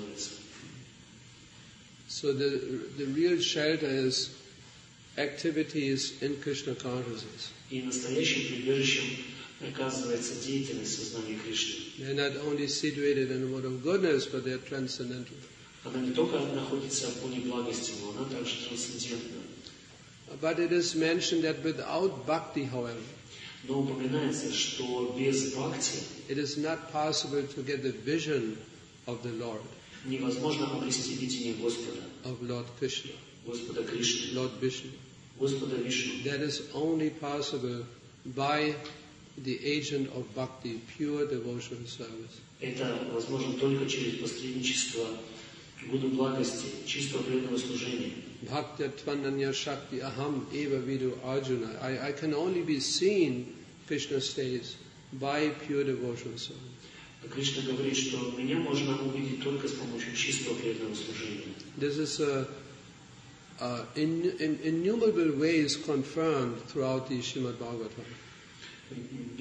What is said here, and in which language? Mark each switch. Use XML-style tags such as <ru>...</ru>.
<en>So the real shelter is activities in Krishna consciousness. They're not only situated in the mode of goodness, but they're transcendental.</en> <ru>Она не только находится в гуне благости, но она также трансцендентна.</ru> <en>But it is mentioned that without bhakti, however,</en> <ru>но упоминается, что без бхакти,</ru> <en>it is not possible to get the vision of the Lord.</en> <ru>Невозможно обрести видение Господа.</ru> <en>Of Lord Krishna.</en> <ru>Господа Кришны.</ru> <en>Lord Vishnu.</en> <ru>Господа Вишну.</ru> <en>That is only possible by the agent of bhakti, pure devotional service.</en> <ru>Это возможно только через посредничество гуны благости, чистого преданного служения.</ru> <sa>Bhakti Tvananya Shakti Aham Eva Vidu Arjuna.</sa> <en>I can only be seen, Krishna says, by pure devotional service.</en> <ru>Кришна говорит, что меня можно увидеть только с помощью чистого преданного служения.</ru> <en>This is innumerable ways confirmed throughout the Srimad Bhagavatam.</en>